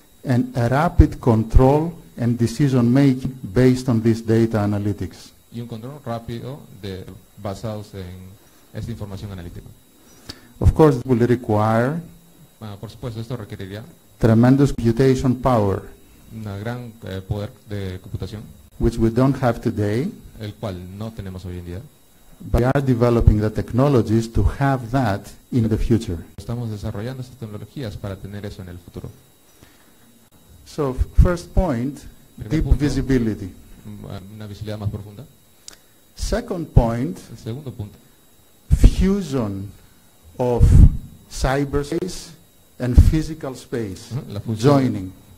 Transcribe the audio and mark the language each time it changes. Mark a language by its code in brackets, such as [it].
[en] And a rapid control and decision making based on this data analytics. [es] Y un control rápido de basados en esta información analítica. [en] Of course, it will require. [es] Por supuesto, esto requeriría. [en] Tremendous computation power. [es] Una gran poder de computación. [en] Which we don't have today. [es] El cual no tenemos hoy en día. [en] But we are developing the technologies to have that in the future. [es] Estamos desarrollando estas tecnologías para tener eso en el futuro. [en] So, first point, deep visibility. [es] Una visibilidad más profunda. [en] Second point, [es] el segundo punto. [en] Fusion of cyberspace and physical space, joining.